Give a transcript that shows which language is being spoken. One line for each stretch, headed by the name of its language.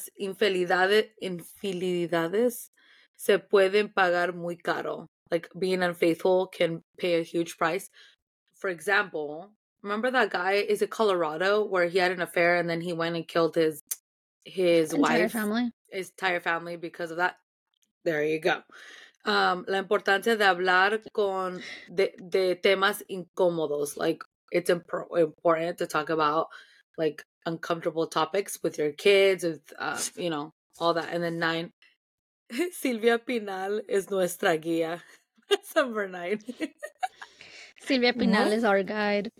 Spanish: Infidelidades se pueden pagar muy caro.
English: Like, being unfaithful can pay a huge price. For example, remember that guy, is it Colorado, where he had an affair and then he went and killed his wife? Entire family. His entire family because of that. There you go.
Spanish: La importancia de hablar con de temas incómodos.
English: Like, it's important to talk about, like, uncomfortable topics with your kids, with, you know, all that. And then 9, Silvia Pinal is
Spanish: nuestra guía.
English: That's number 9. Silvia Pinal is our guide.